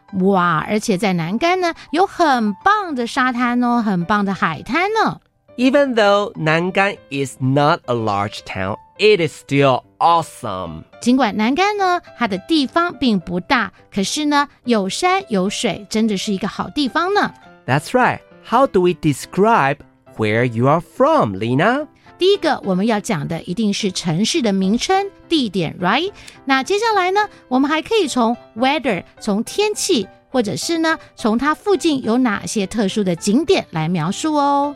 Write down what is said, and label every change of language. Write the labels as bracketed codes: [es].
[zh] 哇，而且在南竿呢，有很棒的沙滩哦，很棒的海滩呢。 [en] Even though 南竿 is not a large town, it is still awesome. [zh] 尽管南竿呢，它的地方并不大，可是呢，有山有水，真的是一个好地方呢。 [en] That's right. How do we describe where you are from, Lina? [zh] 第一个我们要讲的一定是城市的名称、地点 ,right? 那接下来呢，我们还可以从 weather, 从天气，或者是呢，从它附近有哪些特殊的景点来描述哦。